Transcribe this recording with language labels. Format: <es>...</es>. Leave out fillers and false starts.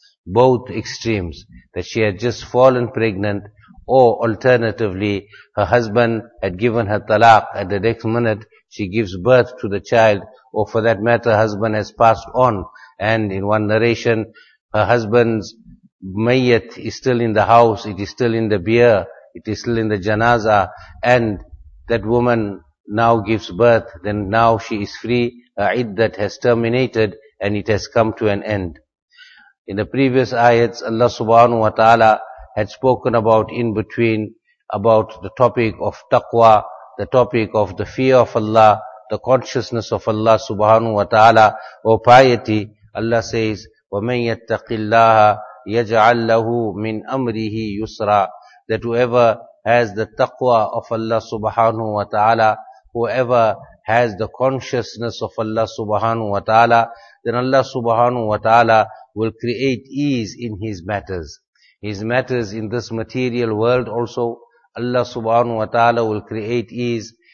<en>Both extremes, that she had just fallen pregnant, or alternatively, her husband had given her talaq at the next minute, she gives birth to the child, or for that matter, husband has passed on, and in one narration, her husband's mayyat is still in the house, it is still in the bier, it is still in the janaza, and that woman now gives birth, then now she is free, her iddat has terminated, and it has come to an end. In the previous ayats, Allah subhanahu wa ta'ala had spoken about in between, about the topic of taqwa, the topic of the fear of Allah, the consciousness of Allah subhanahu wa ta'ala, or piety. Allah says,</en> <ar>وَمَنْ يَتَّقِ اللَّهَ يَجْعَلْ لَهُ مِنْ أَمْرِهِ يُسْرًا.</ar> <en>That whoever has the taqwa of Allah subhanahu wa ta'ala, whoever has the consciousness of Allah subhanahu wa ta'ala, then Allah subhanahu wa ta'ala will create ease in his matters. His matters in this material world also, Allah subhanahu wa ta'ala will create ease.</en>